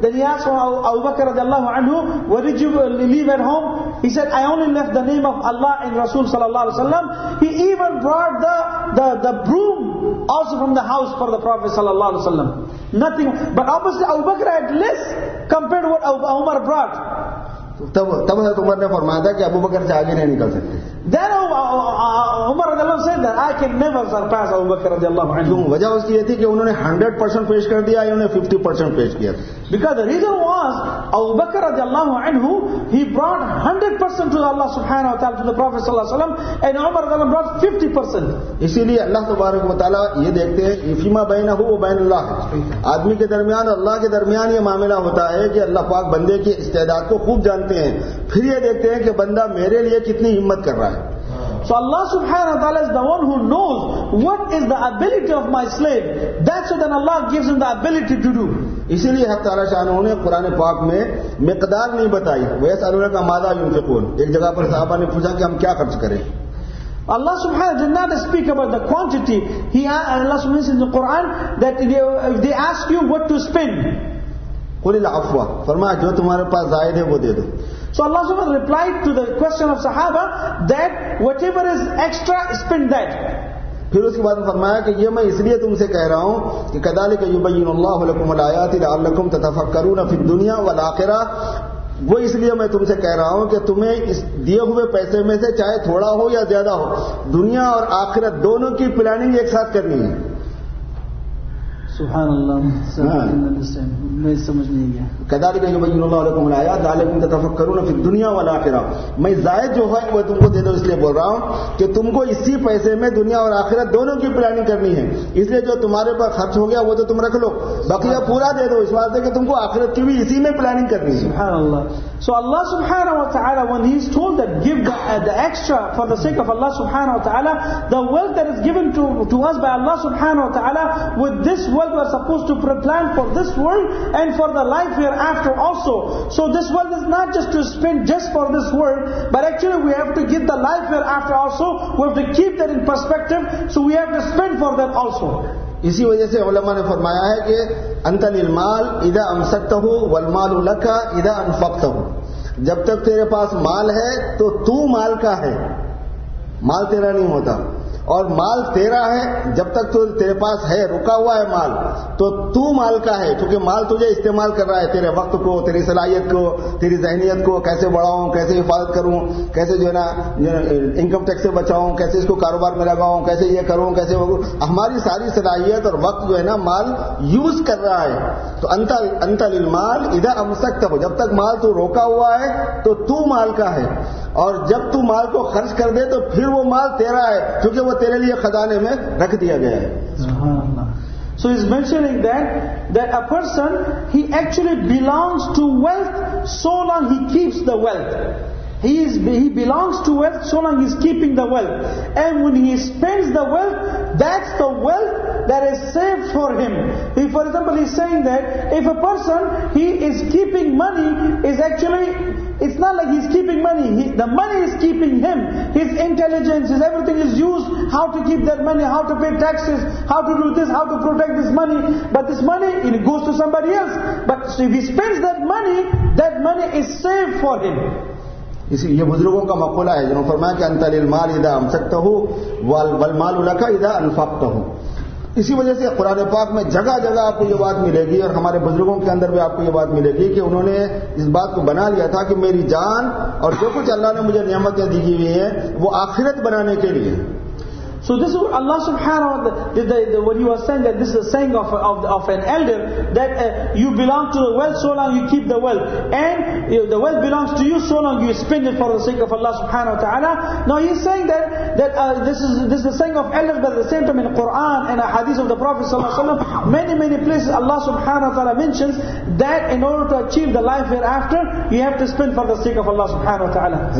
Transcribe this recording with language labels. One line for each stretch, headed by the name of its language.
English: Then he asked Abu Bakr radiallahu anhu, what did you leave at home? He said, I only left the name of Allah and Rasul sallallahu alaihi wasallam. He even brought the broom also from the house for the Prophet sallallahu alaihi wasallam. Nothing, but obviously Abu Bakr had less compared to what Umar brought.
Urdu: تب حضرت عمر نے فرمایا تھا کہ ابو بکر سے آگے نہیں نکل سکتے.
English: Then Umar رضی اللہ عنہ said that I can never surpass Abu Bakr رضی اللہ عنہ.
Urdu: وجہ اس کی یہ تھی کہ انہوں نے 100% پیش کر دیا, انہوں نے 50% پیش کیا.
English: Because the reason was Abu Bakr رضی اللہ عنہ, he brought 100% to Allah subhanahu wa ta'ala, to the Prophet صلی اللہ علیہ وسلم, and عمر رضی اللہ عنہ brought 50%.
Urdu: اسی لیے اللہ تبارک و تعالیٰ یہ دیکھتے ہیں,
Arabic: فیما بینہ و بین اللہ,
Urdu: آدمی کے درمیان اور اللہ کے درمیان یہ معاملہ ہوتا ہے کہ اللہ پاک بندے کی استعداد کو خوب جانتے, پھر یہ دیکھتے ہیں کہ بندہ میرے لیے کتنی ہمت کر رہا ہے.
English: So Allah subhanahu wa ta'ala is the one who knows what is the ability of my slave. That's what then Allah gives him the ability to do.
Urdu: اسی لیے حق تعالیٰ شاہ نے قرآن پاک میں مقدار نہیں بتائی.
Arabic: وَيَسْأَلُونَ
Urdu: کا
Arabic: مَاذَا يُنفِقُونَ,
Urdu: ایک جگہ پر صحابہ نے پوچھا کہ ہم کیا خرچ کریں.
English: Allah subhanahu wa ta'ala did not speak about the quantity. He Allah subhanahu wa ta'ala in the Quran that if they ask you what to spend,
Arabic: قُلِ الْعَفْوَ,
Urdu: فرمایا جو تمہارے پاس زائد ہے وہ دے دو.
English: So Allah subhanahu wa ta'ala replied to the question of Sahaba that whatever is extra, spend that.
Urdu: پھر اس کے بعد فرمایا کہ یہ میں اس لیے تم سے کہہ رہا ہوں کہ
Arabic: كَذَلِكَ يُبَيِّنُ اللَّهُ لَكُمُ الْآيَاتِ لَعَلَّكُمْ تَتَفَكَّرُونَ فِي الدُّنْيَا وَالْآخِرَةِ.
Urdu: وہ اس لیے میں تم سے کہہ رہا ہوں کہ تمہیں اس دیے ہوئے پیسے میں سے چاہے تھوڑا ہو یا زیادہ ہو, دنیا اور آخرت دونوں کی پلاننگ ایک ساتھ کرنی ہے. سبحان اللہ, میں سمجھ نہیں گیا.
Arabic: قدار تتفکرون فی دنیا والا آخرہ,
Urdu: میں زائد جو ہے وہ تم کو دے دو, اس لیے بول رہا ہوں کہ تم کو اسی پیسے میں دنیا اور آخرت دونوں کی پلاننگ کرنی ہے, اس لیے جو تمہارے پر خرچ ہو گیا وہ تو تم رکھ لو, باقی پورا دے دو اس واسطے کہ تم کو آخرت کی بھی اسی میں پلاننگ کرنی ہے. سبحان اللہ.
English: So Allah subhanahu wa ta'ala, when he is told that give the extra for the sake of Allah subhanahu wa ta'ala, the wealth that is given to us by Allah subhanahu wa ta'ala, with this wealth we are supposed to plan for this world and for the life hereafter also. So this wealth is not just to spend just for this world, but actually we have to give the life hereafter also. We have to keep that in perspective, so we have to spend for that also.
Urdu: اسی وجہ سے علماء نے فرمایا ہے کہ
Arabic: انت للمال اذا امسکته والمال لك اذا انفقته,
Urdu: جب تک تیرے پاس مال ہے تو تو مال کا ہے, مال تیرا نہیں ہوتا, اور مال تیرا ہے جب تک تو تیرے پاس ہے, رکا ہوا ہے مال تو مال کا ہے, کیونکہ مال تجھے استعمال کر رہا ہے تیرے وقت کو, تیری صلاحیت کو, تیری ذہنیت کو, کیسے بڑھاؤں, کیسے حفاظت کروں, کیسے جو ہے نا انکم ٹیکس سے بچاؤں, کیسے اس کو کاروبار میں لگاؤں, کیسے یہ کروں, کیسے ہماری ساری صلاحیت اور وقت جو ہے نا مال یوز کر رہا ہے. تو
Arabic: انت للمال اذا امسکته,
Urdu: جب تک مال تو روکا ہوا ہے تو مال کا ہے, اور جب تو مال کو خرچ کر دے تو پھر وہ مال تیرا ہے, کیونکہ وہ تیرے لیے خزانے میں رکھ دیا گیا ہے.
English: So he's mentioning that a person, he actually belongs to wealth so long he keeps the wealth. He belongs to wealth so long he's keeping the wealth. And when he spends the wealth, that's the wealth that is saved for him. He, for example, he's saying that if a person, he is keeping money, is actually, it's not like he's keeping money. The money is keeping him. His intelligence, his everything is used, how to keep that money, how to pay taxes, how to do this, how to protect this money. But this money, it goes to somebody else. But so if he spends that money is saved for him.
Urdu: یہ بزرگوں کا مقولہ ہے جنہوں نے فرمایا کہ
Arabic: انت للمال اذا امسکته والمال لك اذا انفقته.
Urdu: اسی وجہ سے قرآن پاک میں جگہ جگہ آپ کو یہ بات ملے گی اور ہمارے بزرگوں کے اندر بھی آپ کو یہ بات ملے گی کہ انہوں نے اس بات کو بنا لیا تھا کہ میری جان اور جو کچھ اللہ نے مجھے نعمتیں دی ہوئی ہیں وہ آخرت بنانے کے لیے.
English: So this is Allah subhanahu wa ta'ala, what you are saying, that this is a saying of an elder, that you belong to the wealth so long you keep the wealth, and the wealth belongs to you so long you spend it for the sake of Allah subhanahu wa ta'ala. Now he's saying that this is a saying of elders, but at the same time in the Quran and a hadith of the Prophet sallallahu alaihi wasallam, many places Allah subhanahu wa ta'ala mentions that in order to achieve the life hereafter you have to spend for the sake of Allah subhanahu wa ta'ala.